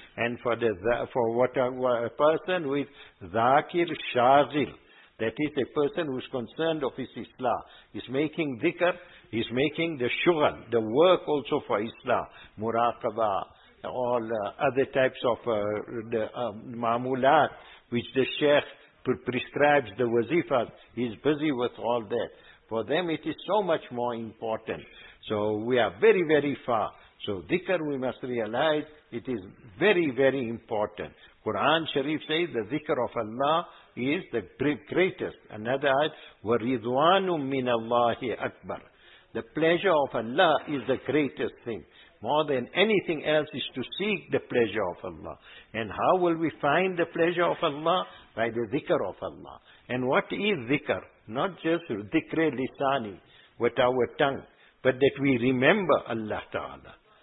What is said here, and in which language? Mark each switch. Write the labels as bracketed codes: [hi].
[en] And for the for what a person with zakir shazil, that is a person who is concerned of his Islam, is making dhikr, is making the shughal, the work also for Islam, muraqabah, all other types of the ma'mulat, which the sheikh prescribes, the wazifas, he's busy with all that. For them it is so much more important. So we are very, very far. So dhikr, we must realize, it is very, very important. Quran Sharif says, the dhikr of Allah is the greatest. Another ayat, [ar] وَرِضْوَانُ مِّنَ اللَّهِ أَكْبَرُ. [en] The pleasure of Allah is the greatest thing. More than anything else is to seek the pleasure of Allah. And how will we find the pleasure of Allah? By the dhikr of Allah. And what is dhikr? Not just dhikre lisani, with our tongue, but that we remember Allah Ta'ala.